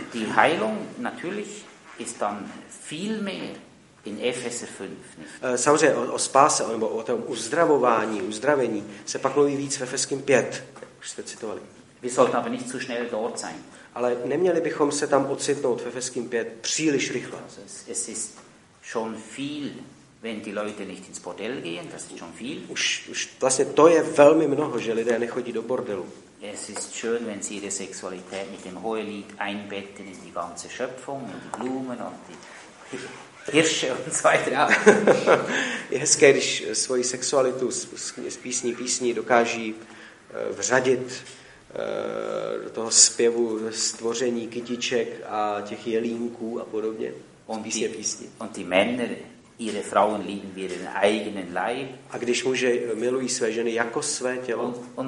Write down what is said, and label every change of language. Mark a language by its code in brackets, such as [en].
[de] Die Heilung natürlich ist dann viel mehr in Epheser 5. [cs] Samozřejmě o spáse, nebo o tom uzdravení se pak mluví víc ve Efeským 5, jak už jste citovali. [de] Wir sollten aber nicht zu schnell dort sein. [cs] Ale neměli bychom se tam ocitnout ve Efeským 5 příliš rychle. [de] Es ist schon viel, wenn die Leute nicht ins Bordell gehen, das ist schon viel. [cs] Už vlastně to je velmi mnoho, že lidé nechodí do bordelu. [de] Es ist schön, wenn sie ihre Sexualität mit dem Hohelied einbetten in die ganze Schöpfung und die Blumen und die Hirsche und so weiter. [cs] Je hezké, když svoji sexualitu z písní dokáží vřadit do toho zpěvu stvoření kytiček a těch jelínků a podobně. A když muže milují své ženy jako své tělo,